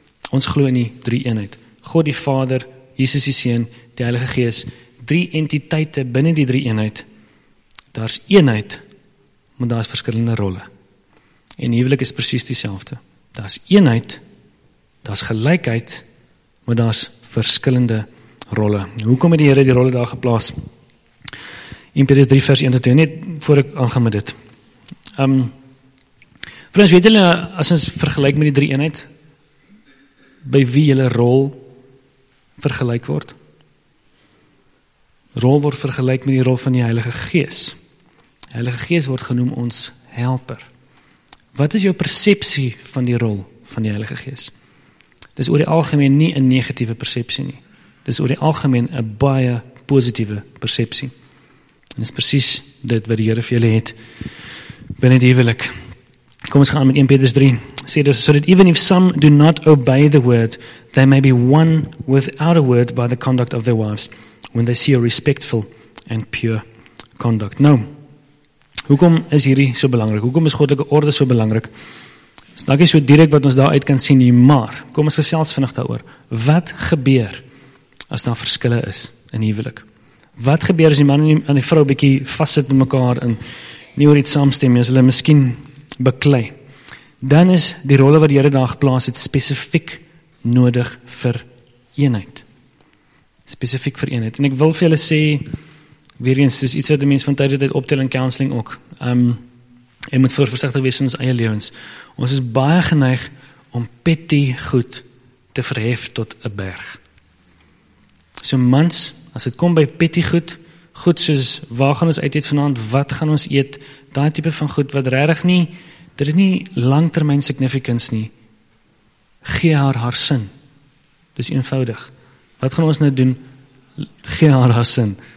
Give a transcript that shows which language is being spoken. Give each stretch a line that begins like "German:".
Afrikaans: Ons glo in die drie eenheid. God die Vader, Jesus die Seun, die Heilige Gees, drie entiteite binnen die drie eenheid, daar is eenheid, maar daar is verskillende rolle. En huwelik is precies dieselfde. Daar is eenheid, daar is gelykheid, maar daar is verskillende rolle. Hoekom het die Here die rolle daar geplaas? In 1 Petrus 3 vers 1 tot 2, net voor ek aangaan met dit. Vriends, weet julle, as ons vergelyk met die drie eenheid, by wie julle rol vergelyk word? Rol word vergelyk met die rol van die Heilige Gees. Die Heilige Gees word genoem ons helper. Wat is jou persepsie van die rol van die Heilige Gees? Dis oor die algemeen nie 'n negatiewe persepsie nie. Dis oor die algemeen 'n baie positiewe persepsie. En dis presies dit wat die Here vir julle het binne die huwelik. Kom ons gaan met 1 Petrus 3. Sê dus,
English: so that even if some do not obey the word, they may be won without a word by the conduct of their wives, when they see a respectful and pure conduct.
Afrikaans: Nou, hoekom is hierdie so belangrik? Hoekom is goddelike orde so belangrik? Is dalk nie so direk wat ons daar uit kan sien nie, maar, kom ons gesels vinnig daaroor. Wat gebeur as daar verskille is in huwelik? Wat gebeur as die man en die vrou bietjie vaszit met mekaar en nie oor iets saamstem nie, as hulle miskien beklei? Dan is die rolle wat die Here daar geplaas het, spesifiek nodig vir eenheid. spesifiek vir eenheid. En ek wil vir julle sê, weer eens, is iets wat die mens van tyd tot tyd optel in counseling ook. Jy moet voorvoorzichtig wees in ons eie lewens. Ons is baie geneig om petty goed te verhef tot 'n berg. So mans, as het kom by petty goed, goed soos, waar gaan ons uit eet vanavond, wat gaan ons eet, die type van goed, wat regtig nie, dit is nie langtermijn significance nie, gee haar sin. Dis eenvoudig. Wat gaan ons nou doen? Gee haar sin.